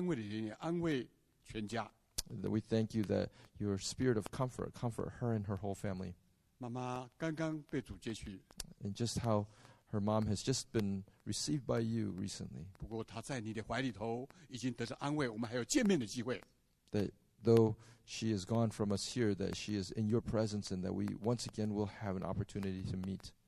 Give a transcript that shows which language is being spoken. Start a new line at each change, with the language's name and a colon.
English: That we thank you that your spirit of comfort her and her whole family.
Chinese: 妈妈刚刚被主接去。
English: And just how her mom has just been received by you recently.
Chinese: 不过她在你的怀里头已经得到安慰，我们还有见面的机会。
English: That though she is gone from us here, that she is in your presence, and that we once again will have an opportunity to meet.